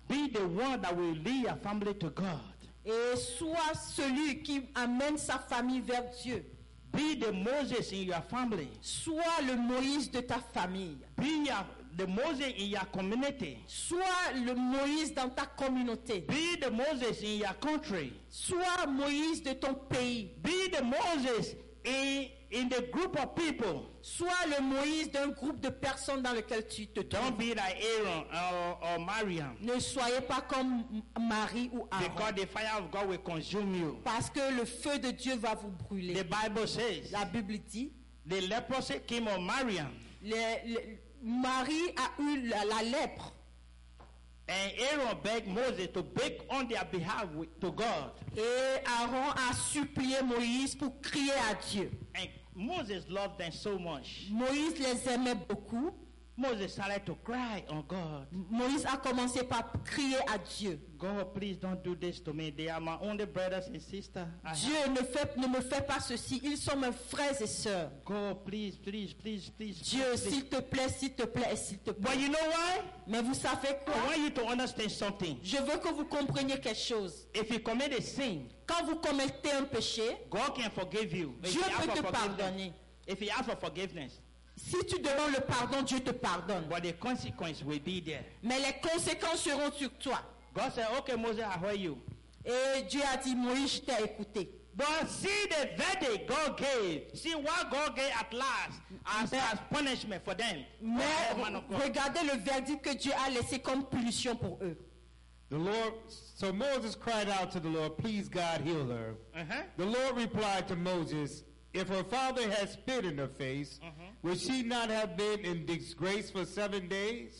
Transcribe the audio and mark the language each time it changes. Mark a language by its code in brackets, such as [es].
[en] Be the one that will lead your family to God. [fr] Et sois celui qui amène sa famille vers Dieu. [en] Be the Moses in your family. [fr] Sois le Moïse de ta famille. [en] Be the Moses in your community. [fr] Sois le Moïse dans ta communauté. [en] Be the Moses in your country. [fr] Sois Moïse de ton pays. [en] Be the Moses in the group of people. [fr] Sois le Moïse d'un groupe de personnes dans lequel tu te trouves. [en] Don't be like Aaron or Miriam. [fr] Ne soyez pas comme Marie ou Aaron. [en] Because the fire of God will consume you. [fr] Parce que le feu de Dieu va vous brûler. [en] The Bible says. [fr] La Bible dit. [en] The leprosy came on Miriam. [fr] Marie a eu la lèpre. [en] And Aaron begged Moses to beg on their behalf to God. [fr] Et Aaron a supplié Moïse pour crier à Dieu. [en] And Moses loved them so much. [fr] Moïse les aimait beaucoup. [en] Moses started to cry on God. [fr] Moïse a commencé par crier à Dieu. [en] God, please don't do this to me. They are my only brothers and sisters. [fr] Dieu, ne me fais pas ceci. Ils sont mes frères et sœurs. [en] God, please, please, please, please. [fr] Dieu, s'il te plaît, s'il te plaît, s'il te plaît. [en] But you know why? [fr] Mais vous savez quoi? [en] I want you to understand something. [fr] Je veux que vous compreniez quelque chose. [en] If you commit a sin, [fr] quand vous commettez un péché, [en] God can forgive you. [fr] Dieu peut te pardonner. [en] If you ask for forgiveness. [fr] Si tu demandes le pardon, Dieu te pardonne. [en] But the consequences will be there. [fr] Mais les conséquences seront sur toi. [en] God said, okay, Moses, I hear you. [fr] Et Dieu a dit, Moïse, je t'ai écouté. [en] But see the verdict God gave. See what God gave at last as punishment for them. [fr] Mais regardez le verdict que Dieu a laissé comme punition pour eux. [en] The Lord, so Moses cried out to the Lord, please God heal her. Uh-huh. The Lord replied to Moses, if her father had spit in her face, uh-huh, would she not have been in disgrace for 7 days?